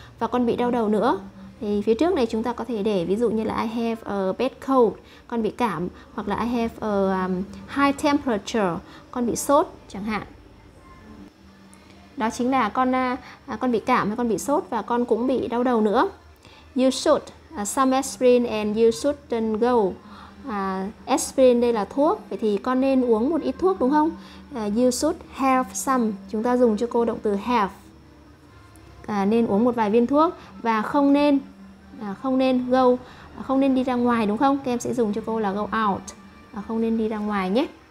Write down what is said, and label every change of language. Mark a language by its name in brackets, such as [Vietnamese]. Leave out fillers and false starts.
[Vietnamese] Và con bị đau đầu nữa. Thì phía trước này chúng ta có thể để ví dụ như là [English] I have a bad cold, [Vietnamese] con bị cảm. Hoặc là [English] I have a high temperature, [Vietnamese] con bị sốt chẳng hạn. Đó chính là con bị cảm hay con bị sốt và con cũng bị đau đầu nữa. [English] You should some aspirin and you shouldn't go. [Vietnamese] Aspirin đây là thuốc, vậy thì con nên uống một ít thuốc đúng không? [English] You should have some. [Vietnamese] Chúng ta dùng cho cô động từ have. Nên uống một vài viên thuốc. Và không nên đi ra ngoài đúng không? Các em sẽ dùng cho cô là go out. Không nên đi ra ngoài nhé.